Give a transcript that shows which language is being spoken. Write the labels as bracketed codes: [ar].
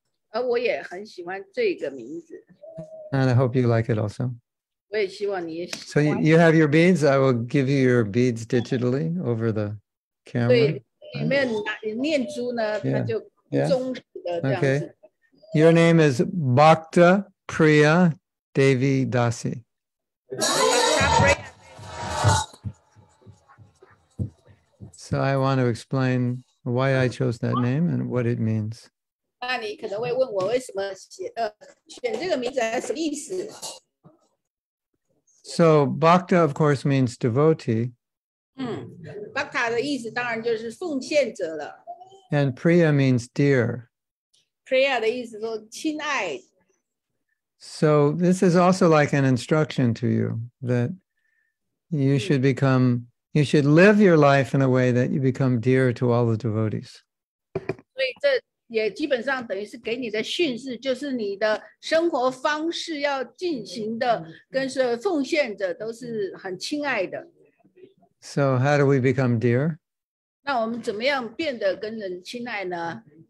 [zh] 而我也很喜欢这个名字. [en] And I hope you like it also. [zh] 我也希望你也喜欢. [en] So you have your beads. I will give you your beads digitally over the camera. [zh] 对，里面念珠呢，它就忠实的这样子。 [en] Okay. Your name is Bhakta Priya Devi Dasi. So I want to explain why I chose that name and what it means. [zh] 那你可能会问我为什么选这个名字还是什么意思？ [en] So Bhakta, of course, means devotee. [zh] Bhakta 的意思当然就是奉献者了。 [en] And Priya means dear. [zh] Priya 的意思说亲爱。 [en] So this is also like an instruction to you that you should become, you should live your life in a way that you become dear to all the devotees. [zh] 对，这 也基本上等于是给你的训示，就是你的生活方式要进行的，跟是奉献者都是很亲爱的。 [en] So how do we become dear? [zh] 那我们怎么样变得跟人亲爱呢？